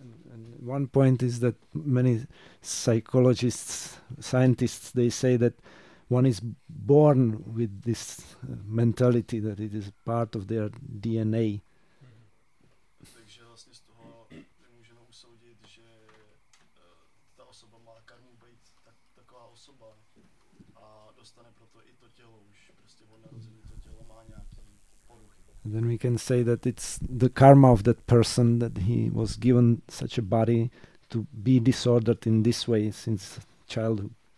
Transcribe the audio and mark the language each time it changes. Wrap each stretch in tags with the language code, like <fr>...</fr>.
<en>And one point is that many psychologists, scientists, they say that one is born with this mentality, that it is part of their DNA.</en> <cs>Takže vlastně z toho můžeme usoudit, že ta osoba má karmu být taková osoba a dostane proto i to tělo už, prostě od narození to tělo má nějaký poruchy.</cs> <en>And then we can say that it's the karma of that person that he was given such a body to be disordered in this way since childhood.</en>